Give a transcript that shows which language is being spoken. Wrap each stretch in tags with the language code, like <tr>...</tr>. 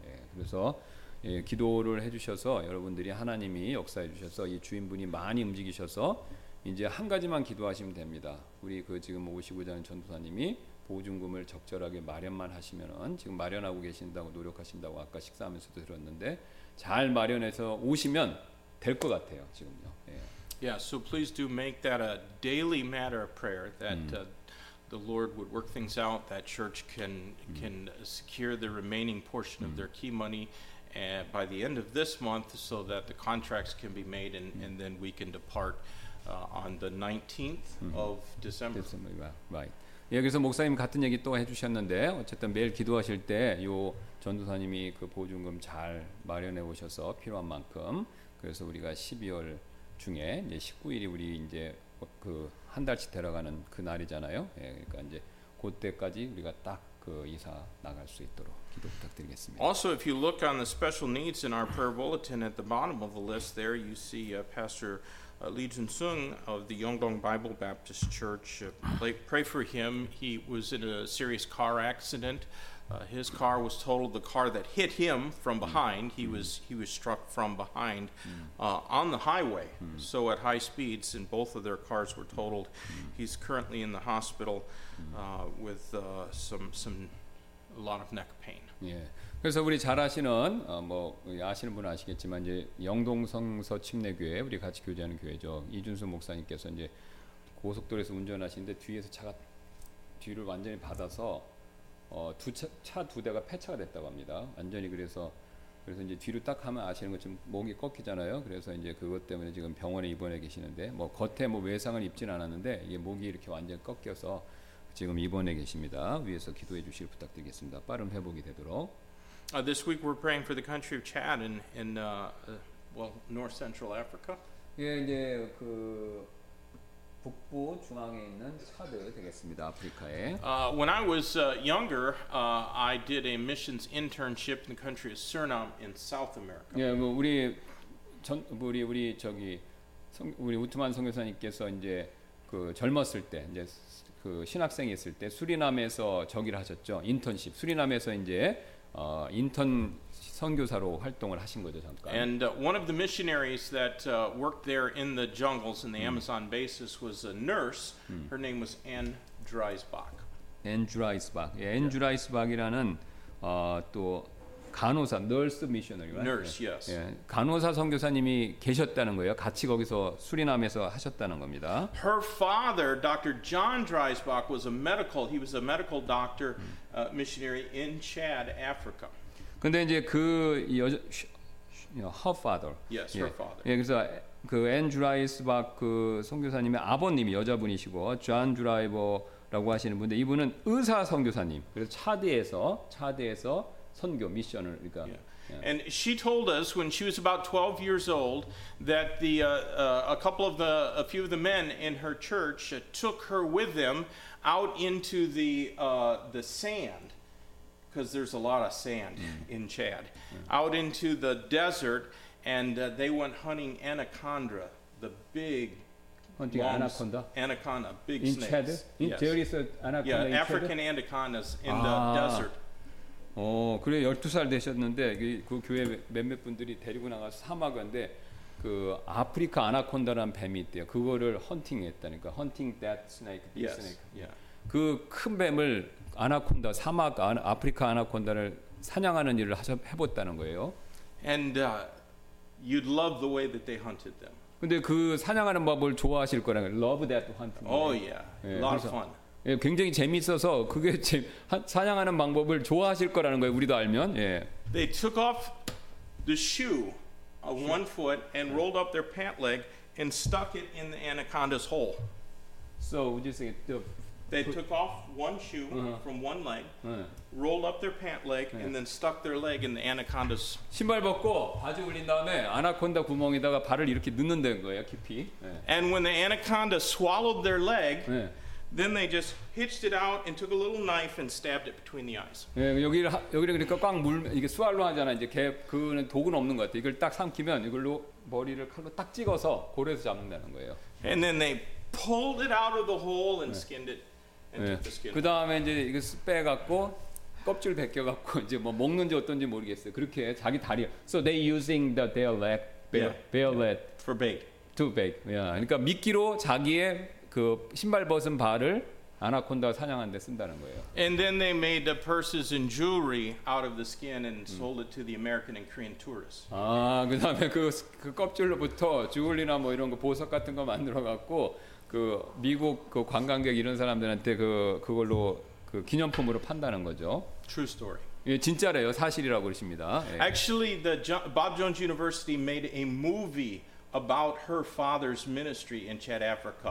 <ko>예, 그래서 예, 기도를 해주셔서 여러분들이 하나님이 역사해 주셔서 이 주인분이 많이 움직이셔서 이제 한 가지만 기도하시면 됩니다. 우리 그 지금 오시고자 하는 전도사님이 보증금을 적절하게 마련만 하시면은 지금 마련하고 계신다고 노력하신다고 아까 식사하면서도 들었는데 잘 마련해서 오시면 될 것 같아요 지금요. 예.</ko> <en>Yeah, so please do make that a daily matter of prayer that the Lord would work things out that church can secure the remaining portion of their key money. And by the end of this month so that the contracts can be made and then we can depart on the 19th of December. Right.</en> <ko>여기서 목사님 같은 얘기 또 해 주셨는데 어쨌든 매일 기도하실 때 요 전도사님이 그 보증금 잘 마련해 오셔서 필요한 만큼 그래서 우리가 12월 중에 이제 19일이 우리 이제 그 한 달씩 데려가는 그 날이잖아요. 예, 그러니까 이제 그때까지 우리가 딱 그 이사 나갈 수 있도록</ko> <en>Also, if you look on the special needs in our prayer bulletin at the bottom of the list there, you see Pastor Lee Jun-sung of the Yonggong Bible Baptist Church. Pray for him. He was in a serious car accident. His car was totaled. The car that hit him from behind, he was struck from behind on the highway, so at high speeds, and both of their cars were totaled. He's currently in the hospital with some a lot of neck pain.</en> <ko>예. 그래서 우리 잘 아시는 뭐 아시는 분은 아시겠지만 이제 영동성서 침례교회 우리 같이 교제하는 교회죠. 이준수 목사님께서 이제 고속도로에서 운전하시는데 뒤에서 차가 뒤를 완전히 받아서 두 대가 폐차가 됐다고 합니다. 완전히 그래서 이제 뒤로 딱 하면 아시는 것처럼 목이 꺾이잖아요. 그래서 이제 그것 때문에 지금 병원에 입원해 계시는데 뭐 겉에 뭐 외상은 입진 않았는데 이게 목이 이렇게 완전히 꺾여서 지금 입원해 계십니다. 위에서 기도해 주시길 부탁드리겠습니다. 빠른 회복이 되도록.</ko> <en>This week we're praying for the country of Chad in North Central Africa.</en> <ko>예, 이제 그 북부 중앙에 있는 차드 되겠습니다. 아프리카에.</ko> <en>When I was younger, I did a missions internship in the country of Suriname in South America.</en> <ko>예, 뭐 우리 저기 우리 우트만 선교사님께서 이제 그 젊었을 때 이제 그 신학생이 있을 때 수리남에서 저기를 하셨죠. 인턴십. 수리남에서 이제 인턴 선교사로 활동을 하신 거죠, 잠깐.</ko> <en>And one of the missionaries that worked there in the jungles in the Amazon basis was a nurse. Her name was Ann Dreisbach. Ann Dreisbach.</en> <ko>예, 앤 드라이스박이라는 또 간호사, 널스 미셔너리.</ko> <en>Nurse, yes. 예,</en> <ko>간호사 선교사님이 계셨다는 거예요. 같이 거기서 수리남에서 하셨다는 겁니다.</ko> <en>Her father, Dr. John Dreisbach, was a medical. He was a medical doctor, missionary in Chad, Africa.</en> <ko>근데 이제 그 여자,</ko> <en>her father. Yes, her father.</en> <ko>예, 그래서 그 앤 드라이스박 그 선교사님의 아버님이 여자분이시고 존 드라이버라고 하시는 분인데 이분은 의사 선교사님. 그래서 차드에서 선교 미션을 그러니까.</ko> <en>And she told us when she was about 12 years old that the a few of the men in her church took her with them out into the sand. Because there's a lot of sand in Chad, out into the desert, and they went hunting anaconda, the big hunting long anaconda, big in snakes. Chad? In Chad, There is an anaconda. Yeah, in African Chad? Anacondas in the desert.</en> <ko>어, 그래 12살 되셨는데 그 교회 몇몇 분들이 데리고 나가서 사막인데 그 아프리카 아나콘다라는 뱀이 있대요. 그거를 헌팅했다니까.</ko> <en>Hunting that snake, big yes. snake. Yeah.</en> <ko>그 큰 뱀을 아나콘다 사막 아프리카 아나콘다를 사냥하는 일을 해봤다는 거예요.</ko> <en>And you'd love the way that they hunted them.</en> <ko>근데 그 사냥하는 법을 좋아하실 거라고.</ko> <en>Love that hunt. Oh yeah, yeah. lot</en> <ko>그래서,</ko> <en>of fun.</en> <ko>예, 굉장히 재밌어서 그게 사냥하는 방법을 좋아하실 거라는 거예요. 우리도 알면. 예.</ko> <en>They took off the shoe of one foot and rolled up their pant leg and stuck it in the anaconda's hole. So would you say the They took off one shoe from one leg, rolled up their pant leg, and then stuck their leg in the anaconda's.</en> <ko>신발 벗고 바지 올린 다음에 아나콘다 구멍에다가 발을 이렇게 넣는 거예요, 깊이.</ko> <en>And when the anaconda swallowed their leg, then they just hitched it out and took a little knife and stabbed it between the eyes.</en> <ko>여기를 그러니까 꽉 물 이게 스왈로 하잖아 이제 개 그는 독은 없는 것 같아. 이걸 딱 삼키면 이걸로 머리를 칼로 딱 찍어서 고래에서 잡는다는 거예요.</ko> <en>And then they pulled it out of the hole and skinned it.</en> <ko>예. 그 다음에 이제 이거 빼갖고 껍질 벗겨갖고 이제 뭐 먹는지 어떤지 모르겠어요. 그렇게 자기 다리.</ko> <en>So they using the their leg, bare leg for bait. To bait. Yeah.</en> <ko>그러니까 미끼로 자기의 그 신발 벗은 발을 아나콘다 사냥한 데 쓴다는 거예요.</ko> <en>And then they made the purses and jewelry out of the skin and sold it to the American and Korean tourists.</en> <ko>아, 그다음에 그 껍질로부터 주얼리나 뭐 이런 거 보석 같은 거 만들어갖고. 그 미국 그 관광객 이런 사람들한테 그걸로 그 기념품으로 판다는 거죠.</ko> <en>True story.</en> <ko>예, 진짜래요. 사실이라고 그러십니다. 예.</ko> <en>Actually, the Bob Jones University made a movie about her father's ministry in Chad, Africa.</en>